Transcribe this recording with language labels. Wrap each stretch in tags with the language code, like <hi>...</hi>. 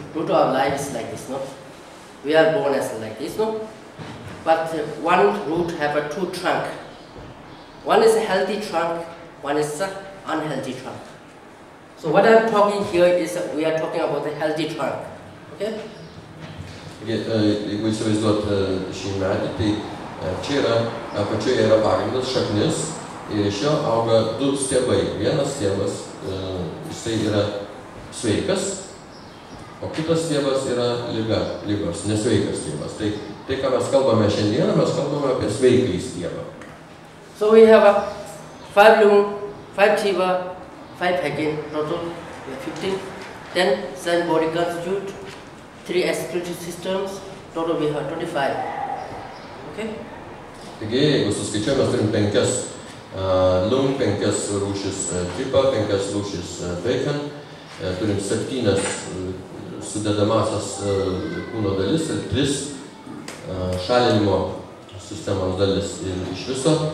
<en>Root of our life is like this, no? We are born as like this, no? But one root have a two trunk. One is a healthy trunk, one is an unhealthy trunk. So what I'm talking here is we are talking about the healthy trunk. Okay?</en> <lt>Jeigu įsivaizduot šį medį, tai čia yra, apačioje yra pagrindas, šaknis, ir iš jo auga du stiebai. Vienas stiebas, jisai yra sveikas, o kitas stiebas yra lygos, nesveikas stiebas. Tai, ką mes kalbame šiandieną, mes kalbame apie sveiką stiebą.</lt> <en>So we have a five lung, five chiva, five hekin, total, we have 15. Then seven body constitute, three excretory systems, total we have 25. Okay?</en> <lt>Taigi, jeigu suskaičiuojame, mes turim penkias lung, penkias rūšis chiva, penkias rūšis hekin, turim septynes sudedamasias kūno dalis ir tris šalinimo sistemos dalis ir iš viso.</lt>